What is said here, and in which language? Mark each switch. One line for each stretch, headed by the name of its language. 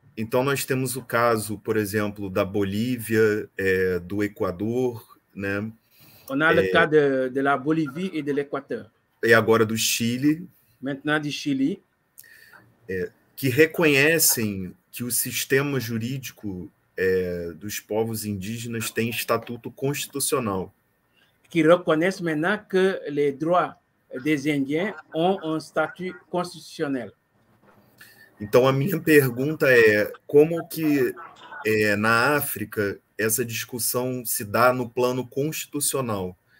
Portuguese: Então, nós temos o caso, por exemplo, da Bolívia, do Equador, né?
French: On a le cas de la Bolivie et de l'Équateur.
Portuguese: E agora do Chile.
French: Maintenant, du Chili.
Portuguese: Que reconhecem que o sistema jurídico dos povos indígenas tem estatuto constitucional. Que reconhece
French: maintenant que les droits des indiens ont un statut constitutionnel.
Portuguese: Então, a minha pergunta é, como que na África essa discussão se dá no plano constitucional?